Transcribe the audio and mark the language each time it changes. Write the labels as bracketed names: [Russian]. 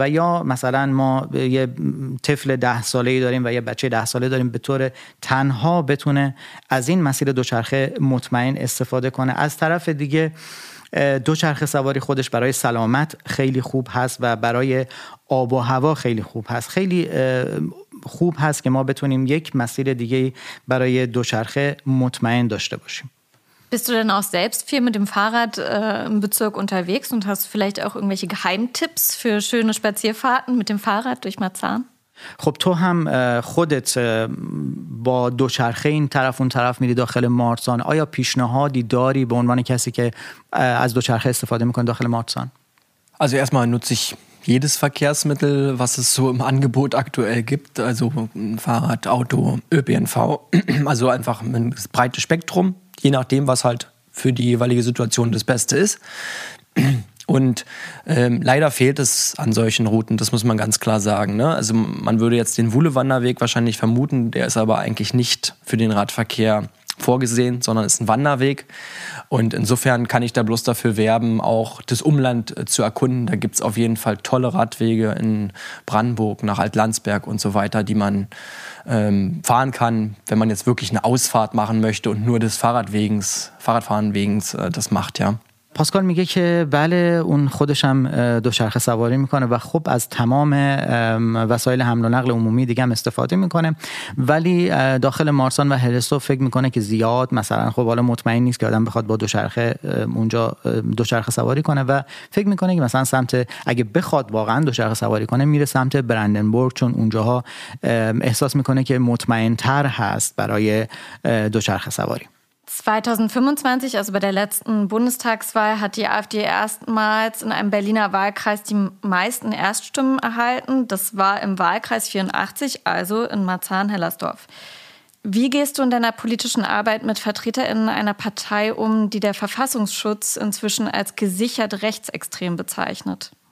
[Persian] و یا مثلا ما یه طفل 10 ساله‌ای داریم و یه بچه 10 ساله داریم، به طور تنها بتونه از این مسیر دوچرخه مطمئن استفاده کنه. از طرف دیگه دوچرخه سواری خودش برای سلامت خیلی خوب هست و برای آب و هوا خیلی خوب هست. خیلی خوب هست که ما بتونیم یک مسیر دیگه برای دوچرخه مطمئن داشته باشیم. [German] Bist du denn auch selbst viel mit dem Fahrrad im Bezirk unterwegs und hast vielleicht auch irgendwelche Geheimtipps für schöne Spazierfahrten mit dem Fahrrad durch Marzahn? خب تو هم خودت با دوچرخه این طرف اون طرف میری داخل مارتسان، آیا پیشنهادی داری به عنوان کسی که از دوچرخه استفاده میکنه داخل مارتسان؟ Also erstmal nutze ich jedes Verkehrsmittel, was es so im Angebot aktuell gibt, also Fahrrad, Auto, ÖPNV, also einfach ein breites Spektrum, je nachdem, was halt für die jeweilige Situation das Beste ist. Und leider fehlt es an solchen Routen, das muss man ganz klar sagen, ne? Also man würde jetzt den Wuhle-Wanderweg wahrscheinlich vermuten, der ist aber eigentlich nicht für den Radverkehr vorgesehen, sondern ist ein Wanderweg. Und insofern kann ich da bloß dafür werben, auch das Umland zu erkunden. Da gibt es auf jeden Fall tolle Radwege in Brandenburg nach Alt-Landsberg und so weiter, die man fahren kann, wenn man jetzt wirklich eine Ausfahrt machen möchte und nur des Fahrradfahrens wegen das macht, ja. [Persian] پاسکال میگه که بله، اون خودش هم دوچرخه سواری میکنه و خب از تمام وسایل حمل و نقل عمومی دیگه هم استفاده میکنه، ولی داخل مارسان و هلستو فکر میکنه که زیاد مثلا خب حالا مطمئن نیست که آدم بخواد با دوچرخه اونجا دوچرخه سواری کنه و فکر میکنه که مثلا سمت اگه بخواد واقعا دوچرخه سواری کنه میره سمت برندنبورگ، چون اونجاها احساس میکنه که مطمئن تر هست برای دوچرخه سواری. [German] 2025, also bei der letzten Bundestagswahl, hat die AfD erstmals in einem Berliner Wahlkreis die meisten Erststimmen erhalten. Das war im Wahlkreis 84, also in Marzahn-Hellersdorf. Wie gehst du in deiner politischen Arbeit mit VertreterInnen einer Partei um, die der Verfassungsschutz inzwischen als gesichert rechtsextrem bezeichnet?